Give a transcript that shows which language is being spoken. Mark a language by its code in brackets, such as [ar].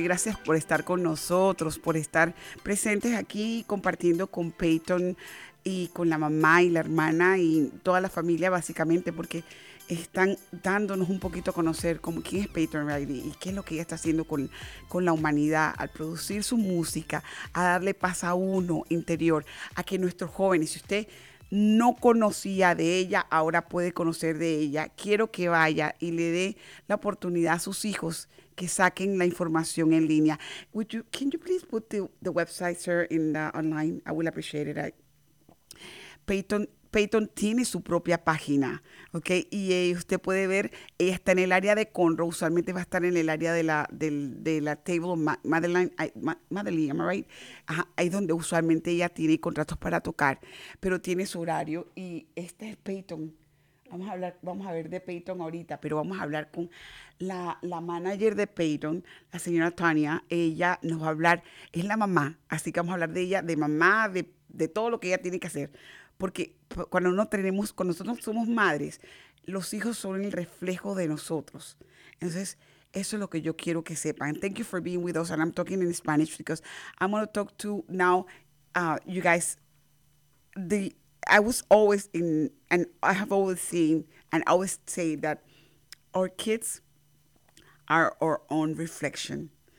[es] Gracias por estar con nosotros, por estar presentes aquí compartiendo con Peyton y con la mamá y la hermana y toda la familia, básicamente, porque están dándonos un poquito a conocer cómo, quién es Peyton Riley y qué es lo que ella está haciendo con la humanidad al producir su música, a darle paz a uno interior, a que nuestros jóvenes, si usted no conocía de ella, ahora puede conocer de ella. Quiero que vaya y le dé la oportunidad a sus hijos que saquen la información en línea. [en] Can you please put the website, sir, in the online? I will appreciate it. [es] Peyton tiene su propia página, ¿ok? Y usted puede ver, ella está en el área de Conroe, usualmente va a estar en el área de la Table of Madeline, [en] am I right? [es] Ajá, ahí es donde usualmente ella tiene contratos para tocar, pero tiene su horario y este es Peyton. Vamos a ver de Peyton ahorita, pero vamos a hablar con la manager de Peyton, la señora Tania. Ella nos va a hablar, es la mamá, así que vamos a hablar de ella, de mamá, de todo lo que ella tiene que hacer. Porque cuando nosotros somos madres, los hijos son el reflejo de nosotros. Entonces, eso es lo que yo quiero que sepan. [en] Thank you for being with us, and I'm talking in Spanish because I'm going to talk to now, you guys, I was always in, and I have always seen, and always say that our kids are our own reflection.